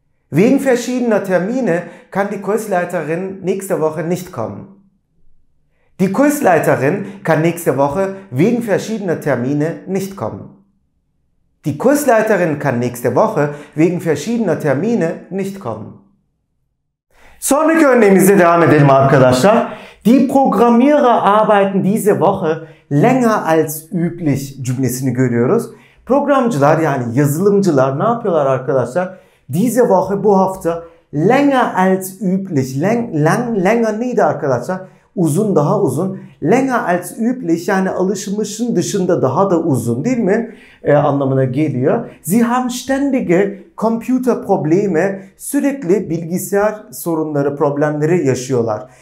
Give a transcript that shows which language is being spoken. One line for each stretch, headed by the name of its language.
German: Wegen verschiedener Termine kann die Kursleiterin nächste Woche nicht kommen. Die Kursleiterin kann nächste Woche wegen verschiedener Termine nicht kommen. Die Kursleiterin kann nächste Woche wegen verschiedener Termine nicht kommen.
Turkish: Sonraki örneğimize devam edelim arkadaşlar.
German: Die Programmierer arbeiten diese Woche länger als üblich
Turkish: cümlesini görüyoruz. Programcılar, yani yazılımcılar ne yapıyorlar arkadaşlar?
German: Diese Woche,
Turkish: bu hafta,
German: länger als üblich.
Turkish: Länger neydi arkadaşlar? Uzun, daha uzun.
German: Länger als üblich,
Turkish: yani alışmışın dışında daha da uzun değil mi? Anlamına geliyor.
German: Sie haben ständige Computerprobleme,
Turkish: sürekli bilgisayar sorunları, problemleri yaşıyorlar.